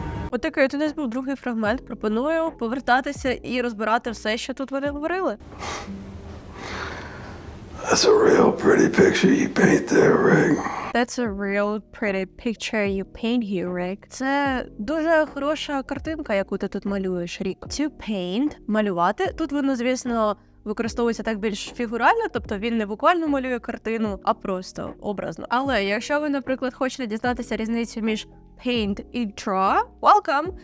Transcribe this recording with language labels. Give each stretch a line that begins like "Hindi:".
Ukrainian: Отакий от у нас був другий фрагмент. Пропоную повертатися і розбирати все, що тут вони говорили.
English: That's a real pretty picture you paint there, Rick. That's a real pretty picture you paint here, Rick.
Ukrainian: Це дуже хороша картинка, яку ти тут малюєш, Рік.
English: To paint,
Ukrainian: малювати. Тут воно, звісно, використовується так більш фігурально, тобто він не буквально малює картину, а просто образно. Але якщо ви, наприклад, хочете дізнатися різницю між paint і draw, welcome!